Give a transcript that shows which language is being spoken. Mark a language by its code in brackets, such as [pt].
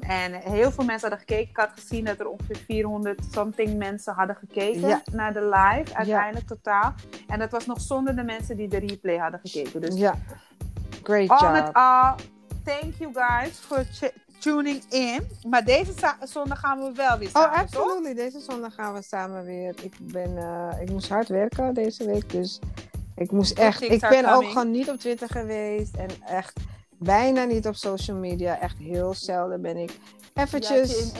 [nl] En heel veel mensen hadden gekeken. Ik had gezien dat er ongeveer 400 something mensen hadden gekeken naar de live. Uiteindelijk totaal. En dat was nog zonder de mensen die de replay hadden gekeken. Dus [en] great job. All in all, thank you guys for tuning in. [nl] Maar deze zondag gaan we wel weer samen, [en] oh, absolutely. Toch? [nl] Deze zondag gaan we samen weer. Ik moest hard werken deze week. Dus ik moest echt... Ik ben ook gewoon niet op Twitter geweest. En echt... Bijna niet op social media. Echt heel zelden ben ik eventjes...